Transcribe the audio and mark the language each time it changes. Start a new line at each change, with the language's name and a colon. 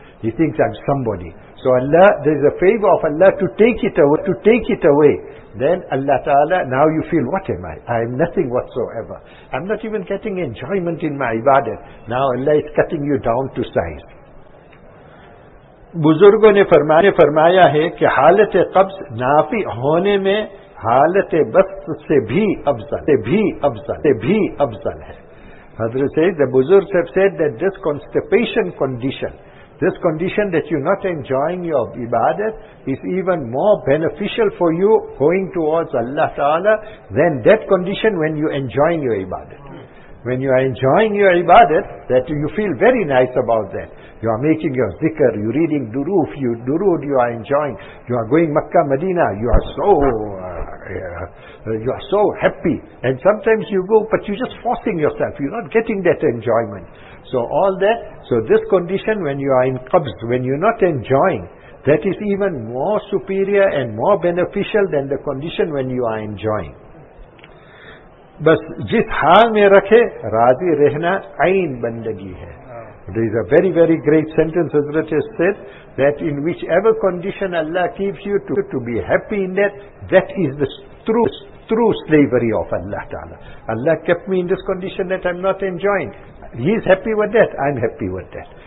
English: He thinks I'm somebody. So Allah, there's a favor of Allah to take it away. Then Allah Ta'ala, now you feel, what am I? I am nothing whatsoever. I'm not even getting enjoyment in my ibadat. Now Allah is cutting you down to size.
Urdu: بزرگوں نے فرمایا ہے کہ حالت قبض نافی ہونے میں حالت بسط سے بھی افضل ہے. حضرت سے
English: the بزرگ have said that this constipation condition, this condition that you're not enjoying your ibadat, is even more beneficial for you going towards Allah Ta'ala than that condition when you're enjoying your ibadat. When you are enjoying your ibadat, that you feel very nice about that. You are making your zikr, you are reading durood, you are enjoying. You are going Makkah, Medina, you are so happy. And sometimes you go, but you're just forcing yourself, you're not getting that enjoyment. So all that, so this condition when you are in qabz, when you're not enjoying, that is even more superior and more beneficial than the condition when you are enjoying.
Urdu: بس جس حال میں رکھے راضی رہنا عین بندگی ہے.
English: There is a very very great sentence Hazrat has said that in whichever condition Allah keeps you to be happy in that is the true slavery of Allah Ta'ala. Allah kept me in this condition that I'm not enjoying. He is happy with that, I'm happy with that.